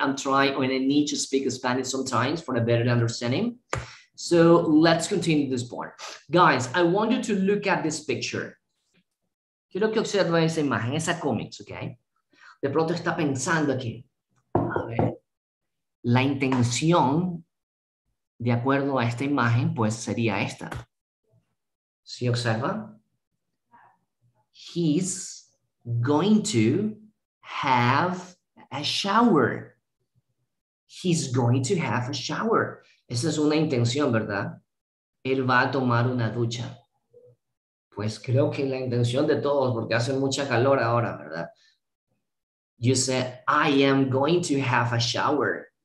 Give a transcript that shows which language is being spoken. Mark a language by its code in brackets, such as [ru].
[en] I'm trying when I need to speak Spanish sometimes for a better understanding. So let's continue this part. Guys, I want you to look at this picture. [es] Quiero que observe esa imagen, esa cómics, ¿ok? De pronto está pensando aquí. A ver, la intención, de acuerdo a esta imagen, pues sería esta. ¿Sí observa? [en] He's going to have a shower. He's going to have a shower. [es] Esa es una intención, ¿verdad? Él va a tomar una ducha. Pues creo que la intención de todos, porque hace mucha calor ahora, ¿verdad? [en] You said, I am going to have a shower.